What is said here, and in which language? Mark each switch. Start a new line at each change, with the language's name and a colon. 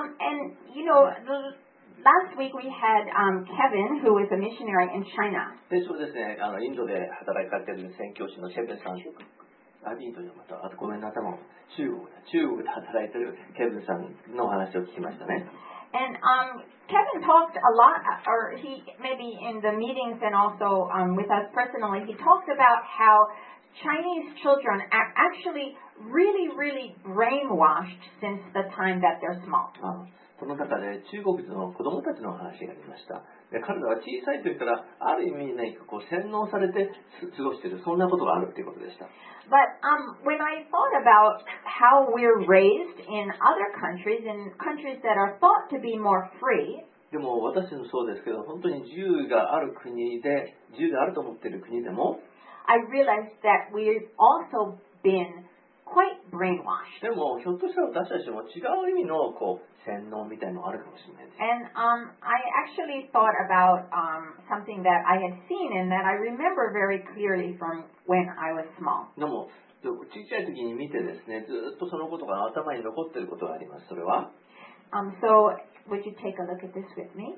English: And you know, theLast week we had Kevin, who is a missionary in China.
Japanese: で、そうですね。インドで働いている宣教師のケビンさん。あ、インドじゃなかった。あとごめんなさい。中国で働いているケビンさんの話を聞きましたね。
English: And Kevin talked a lot, or he maybe in the meetings and also with us personally, he talked about how Chinese children are actually really, really brainwashed since the time that they're small.
Japanese: その中で中国人の子供たちの話がありました。で、彼らは小さい時からある意味、ね、こう洗脳されて過ごしている、そんなことがあるということでした。
English: But, when I thought about how we're raised in other countries, in countries that are thought to be more free,
Japanese: でも私もそうですけど、本当に自由がある国で、自由であると思っている国でも、
English: I realized that we've also been quite brainwashed.
Japanese: でもひょっとしたら私たちも違う意味のこう洗脳みたいなのがあるかもしれないです。
English: And I actually thought about something that I had seen and that I remember very clearly from when I was small.
Japanese: でも小さい時に見てですね、ずっとそのことが頭に残っていることがあります。それは。
English: So would you take a look at this with me?